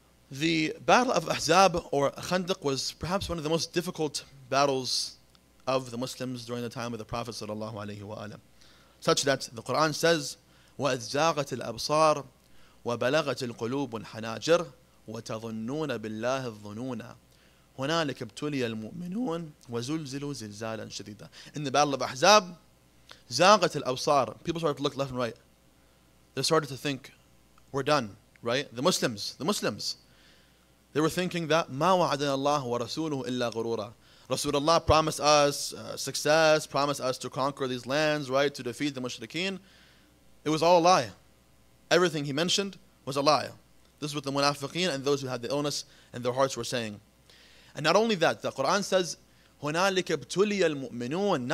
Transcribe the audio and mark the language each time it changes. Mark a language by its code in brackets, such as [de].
[en] The battle of Ahzab or Khandaq was perhaps one of the most difficult battles of the Muslims during the time of the Prophet sallallahu alayhi wa alayhi, such that the Quran says, [ar] وَأَزَّاغَتِ الْأَبْصَارِ وَبَلَغَتِ الْقُلُوبُ الْحَنَاجِرِ وَتَظُنُّونَ بِاللَّهِ الظُّنُونَ هُنَالِكَ ابْتُلِيَ الْمُؤْمِنُونَ وَزُلْزِلُوا زِلْزَالًا شَدِيدًا. [en] In the battle of Ahzab, [ar] زَاغَتِ الْأَبْصَارِ, [en] people started to look left and right. They started to think, we're done, right? The Muslims. They were thinking that [ar] مَا وَعَدَنَا اللَّهُ وَرَسُولُهُ إِلَّا غُرُورًا. [en] Rasulullah promised us success, promised us to conquer these lands, right, to defeat the mushrikeen. It was all a lie. Everything he mentioned was a lie. This is what the munafiqeen and those who had the illness in their hearts were saying. And not only that, the Quran says, [ar] هُنَالِكَ ابْتُلِيَ الْمُؤْمِنُونَ.